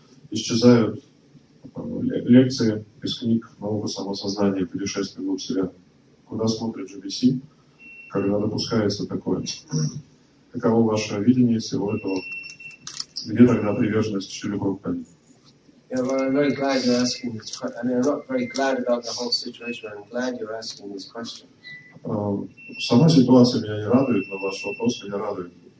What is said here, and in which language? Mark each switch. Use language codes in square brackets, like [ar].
[ru] Исчезают лекции из книг «Наука самосознания. Путешествие двух вселенных». Куда смотрит GBC, когда допускается такое? Каково ваше видение всего этого? Где тогда приверженность Шриле Прабхупаде? [en] Yeah, well, I'm very glad you're asking this question. I mean, I'm not very glad about the whole situation, but I'm glad you're asking this question. [ru] Сама ситуация меня не радует, но ваш вопрос меня радует.